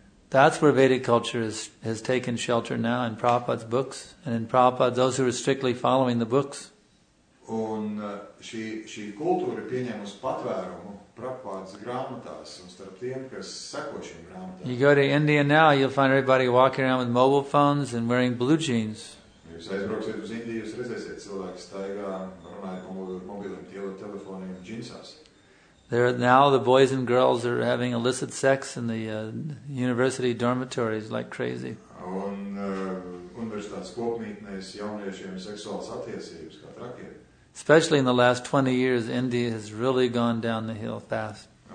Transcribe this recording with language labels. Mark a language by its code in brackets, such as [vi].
[en] That's where Vedic culture has taken shelter now, in Prabhupada's books, and in Prabhupada, those who are strictly following the books. [lv] Un šī kultūra ir pieņēmusi patvērumu Prabhupādas grāmatās un starp tiem, kas seko šīm grāmatām. [en] You go to India now, you'll find everybody walking around with mobile phones and wearing blue jeans. [lv] Jūs aizbrauksiet uz Indiju, jūs redzēsiet cilvēku staigā, runājot ar mobiliem telefoniem džinsās. [en] There now the boys and girls are having illicit sex in the university dormitories like crazy. [lv] Un universitātes kopmītnēs jauniešiem seksuāls attiecības kā trakie. [en] Especially in the last 20 years, India has really gone down the hill fast.